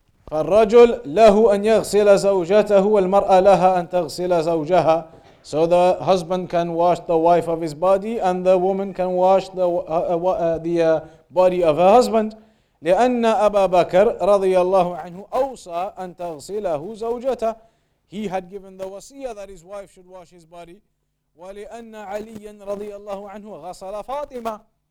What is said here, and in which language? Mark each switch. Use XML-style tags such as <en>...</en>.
<ar>فالرجل له أن يغسل زوجته والمرأة لها أن تغسل زوجها.</ar> <en>So the husband can wash the wife of his body and the woman can wash the body of her husband.</en> <ar>لأن أبا بكر رضي الله عنه أوصى أن تغسله زوجته.</ar> <en>He had given the wasiyah that his wife should wash his body.</en> <ar>ولأن علي رضي الله عنه غسل فاطمة.</ar>